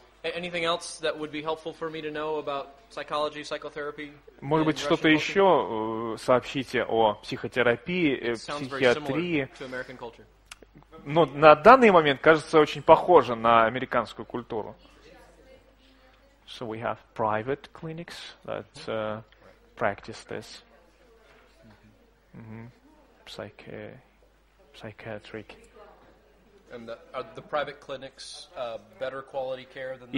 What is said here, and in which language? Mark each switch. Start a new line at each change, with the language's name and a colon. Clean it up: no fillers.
English: Anything else that would be helpful for me to know about psychology, psychotherapy?
Russian: Может быть, что-то еще сообщите о психотерапии, психиатрии. Но на данный момент кажется очень похоже на американскую культуру.
English: So we have private clinics that practice this. Mm-hmm. Psychiatric. And are the private clinics better quality care than the